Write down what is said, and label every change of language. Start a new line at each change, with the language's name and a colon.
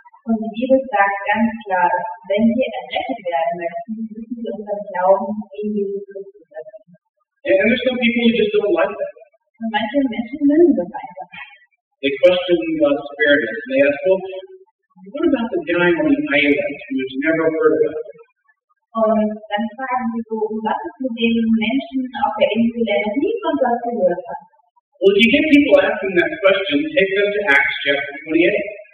German: Und die Bibel sagt ganz klar, wenn wir errettet werden möchten, müssen wir unseren Glauben in Jesus Christus setzen.
English: And there's some people who just don't like that.
German: Und manche Menschen mögen das einfach.
English: They question God's fairness. They ask, well, what about the guy on the island who has never heard of him?
German: Und dann fragen sie so, was ist mit den Menschen auf der Insel, der noch nie von Gott gehört hat?
English: Well, if you get people asking that question, take them to Acts chapter 28.